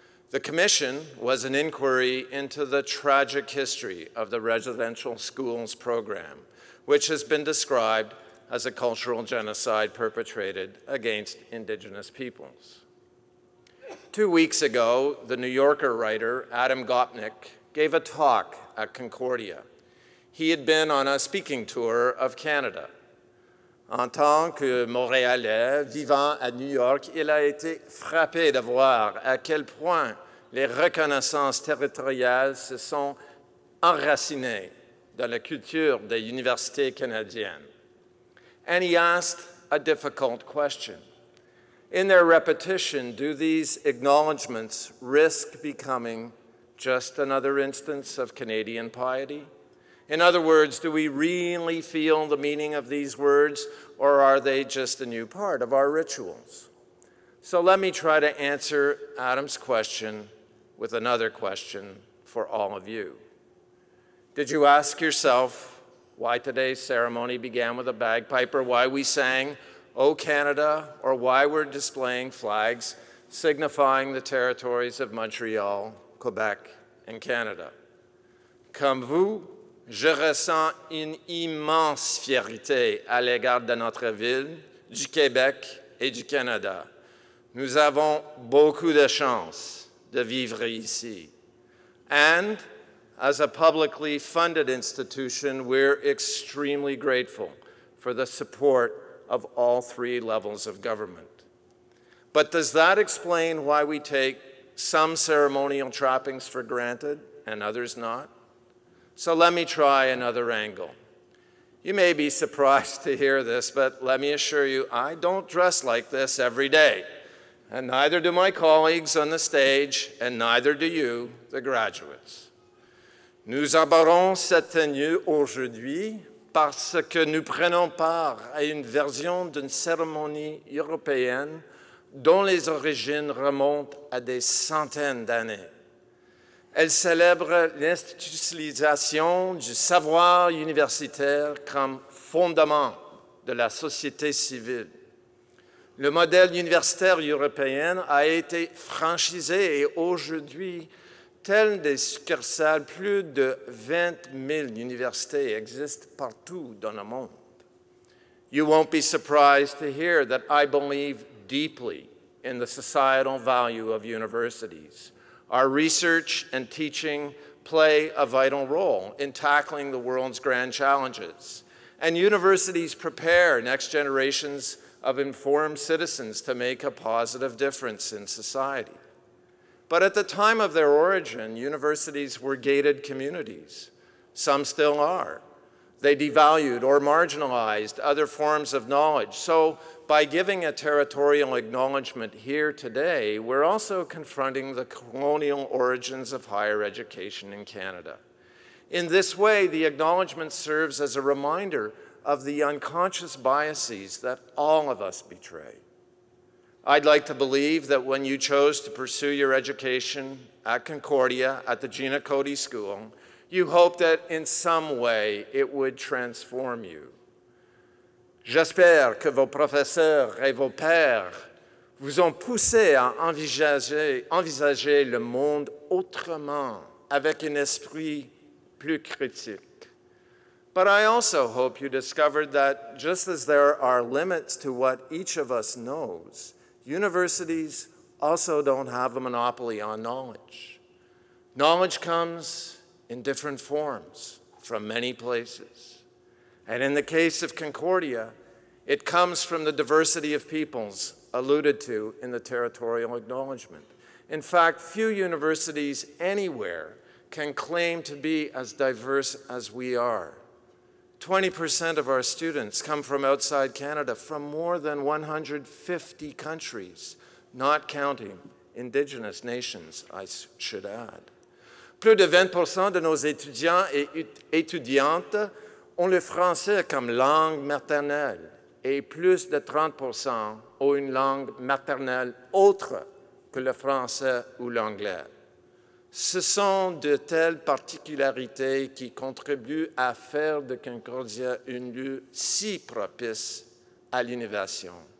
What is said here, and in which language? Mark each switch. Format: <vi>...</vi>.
<en>The commission was an inquiry into the tragic history of the residential schools program, which has been described as a cultural genocide perpetrated against Indigenous peoples. 2 weeks ago, The New Yorker writer Adam Gopnik gave a talk at Concordia. He had been on a speaking tour of Canada.</en> <fr>En tant que Montréalais vivant à New York, il a été frappé de voir à quel point les reconnaissances territoriales se sont enracinées dans la culture des universités canadiennes.</fr> <en>And he asked a difficult question. In their repetition, do these acknowledgments risk becoming just another instance of Canadian piety? In other words, do we really feel the meaning of these words, or are they just a new part of our rituals? So let me try to answer Adam's question with another question for all of you. Did you ask yourself why today's ceremony began with a bagpipe, or why we sang O Canada, or why we're displaying flags signifying the territories of Montreal, Quebec, and Canada?</en> <fr>Comme vous, je ressens une immense fierté à l'égard de notre ville, du Québec et du Canada. Nous avons beaucoup de chance de vivre ici.</fr> <en>And as a publicly funded institution, we're extremely grateful for the support of all three levels of government. But does that explain why we take some ceremonial trappings for granted and others not? So let me try another angle. You may be surprised to hear this, but let me assure you, I don't dress like this every day, and neither do my colleagues on the stage, and neither do you, the graduates.</en> <fr>Nous arborons cette tenue aujourd'hui parce que nous prenons part à une version d'une cérémonie européenne dont les origines remontent à des centaines d'années. Elle célèbre l'institutionnalisation du savoir universitaire comme fondement de la société civile. Le modèle universitaire européen a été franchisé et aujourd'hui, telles des succursales, plus de 20 000 universités existent partout dans le monde.</fr> <en>You won't be surprised to hear that I believe deeply in the societal value of universities. Our research and teaching play a vital role in tackling the world's grand challenges. And universities prepare next generations of informed citizens to make a positive difference in society. But at the time of their origin, universities were gated communities. Some still are. They devalued or marginalized other forms of knowledge. So by giving a territorial acknowledgement here today, we're also confronting the colonial origins of higher education in Canada. In this way, the acknowledgement serves as a reminder of the unconscious biases that all of us betray. I'd like to believe that when you chose to pursue your education at Concordia, at the Gina Cody School, you hoped that in some way it would transform you.</en> <fr>J'espère que vos professeurs et vos pères vous ont poussé à envisager le monde autrement, avec un esprit plus critique.</fr> <en>But I also hope you discovered that just as there are limits to what each of us knows, universities also don't have a monopoly on knowledge. Knowledge comes in different forms from many places. And in the case of Concordia, it comes from the diversity of peoples alluded to in the territorial acknowledgement. In fact, few universities anywhere can claim to be as diverse as we are. 20% of our students come from outside Canada, from more than 150 countries, not counting Indigenous nations, I should add.</en> <fr>Plus de 20% de nos étudiants et étudiantes ont le français comme langue maternelle, et plus de 30% ont une langue maternelle autre que le français ou l'anglais. Ce sont de telles particularités qui contribuent à faire de Concordia un lieu si propice à l'innovation.</fr>